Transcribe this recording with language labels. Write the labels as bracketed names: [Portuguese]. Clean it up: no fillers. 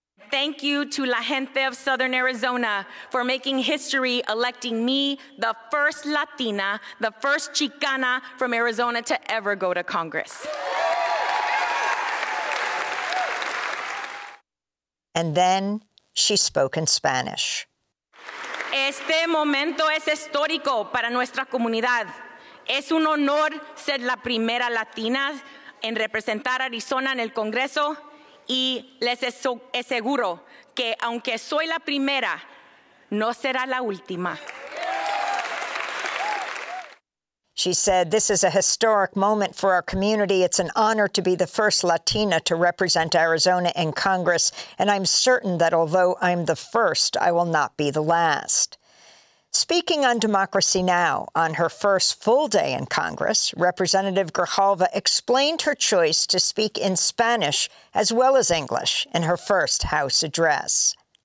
[English] Thank you to La Gente of Southern Arizona for making history, electing me, the first Latina, the first Chicana from Arizona to ever go to Congress. And then she spoke in Spanish. [Spanish] Este momento es histórico para nuestra comunidad. Es un honor ser la primera Latina en representar a Arizona en el Congreso. Y les aseguro que aunque soy la primera, no será la última. [English] She said, this is a historic moment for our community. It's an honor to be the first Latina to represent Arizona in Congress. And I'm certain that although I'm the first, I will not be the last. Speaking on Democracy Now! On her first full day in Congress, Representative Grijalva explained her choice to speak in Spanish as well as English in her first House address.